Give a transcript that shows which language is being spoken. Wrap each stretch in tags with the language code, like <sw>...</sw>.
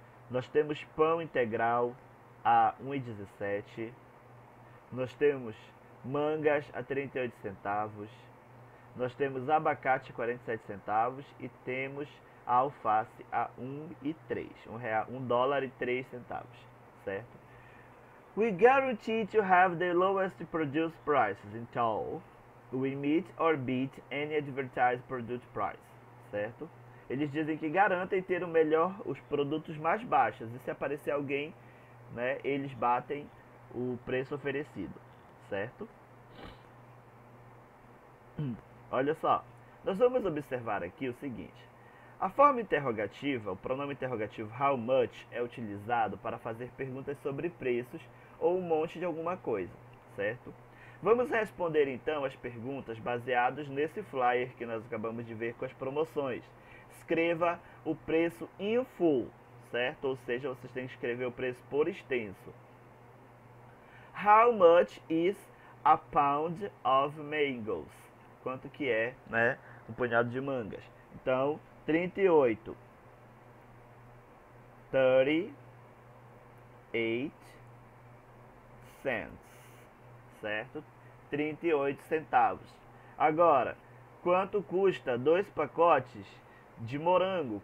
<pt>Nós temos pão integral a 1,17. Nós temos mangas a 38 centavos. Nós temos abacate a 47 centavos e temos a alface a 1,3, 1 real, 1 dólar e 3 centavos, certo?</pt> <en>We guarantee to have the lowest produced prices in total. We meet or beat any advertised product price, certo?</en> <pt>Eles dizem que garantem ter o melhor, os produtos mais baixos, e se aparecer alguém, né, eles batem o preço oferecido, certo? Olha só, nós vamos observar aqui o seguinte: a forma interrogativa, o pronome interrogativo how much, é utilizado para fazer perguntas sobre preços ou um monte de alguma coisa, certo? Vamos responder então as perguntas baseadas nesse flyer que nós acabamos de ver com as promoções. Escreva o preço in full, certo? Ou seja, vocês têm que escrever o preço por extenso.</pt> <en>How much is a pound of mangoes?</en> <pt>Quanto que é, né, um punhado de mangas? Então, 38. 38 cents. Certo? 38 centavos. Agora, quanto custa dois pacotes de morango?</pt>